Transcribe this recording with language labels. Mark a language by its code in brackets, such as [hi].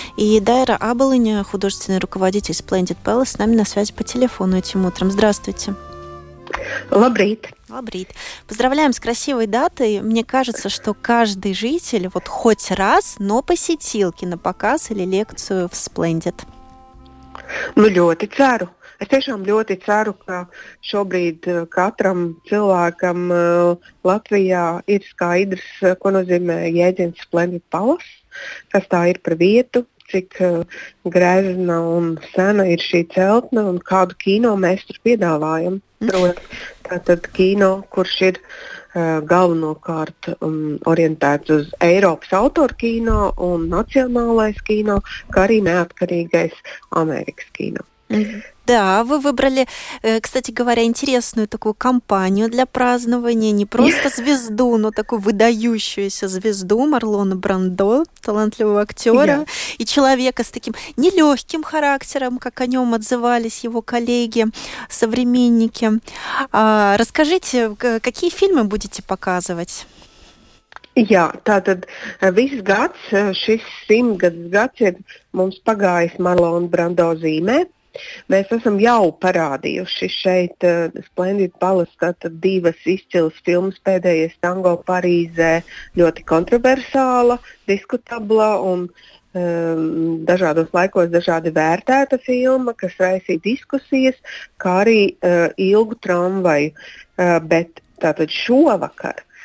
[ru] И Дайра Абалыня, художественный руководитель Splendid Palace, с нами на связи по телефону этим утром. Здравствуйте. [lv] Лабрит. Лабрит. [ru] Поздравляем с красивой датой. Мне кажется, что каждый житель вот хоть раз, но посетил кинопоказ или лекцию в Splendid. [lv] Ну, лёти цару. Es tiešām ļoti ceru, ka šobrīd katram cilvēkam Latvijā ir skaidrs, ko nozīmē jēdziens Splendid Palace, kas tā ir par vietu, cik grezna un sena ir šī celtne un kādu kino mēs tur piedāvājam. Tātad kino, kurš ir galvenokārt orientēts uz Eiropas autorkino un nacionālais kino, kā arī neatkarīgais Amerikas kino. [ru] Да, вы выбрали, кстати говоря, интересную такую компанию для празднования. Не просто звезду, но такую выдающуюся звезду Марлона Брандо, талантливого актера и человека с таким нелегким характером, как о нем отзывались его коллеги, современники. Расскажите, какие фильмы будете показывать? [lv] Jā, tātad viss gads, šis 100-gads gads ir mums pagājis Marlona Brando zīmē. Mēs esam jau parādījuši šeit Splendid Palace, tātad divas izcilas filmas, pēdējais Tango Parīzē, ļoti kontroversāla, diskutabla un dažādos laikos dažādi vērtēta filma, kas raisīja diskusijas, kā arī ilgu tramvaju, bet tātad šovakar.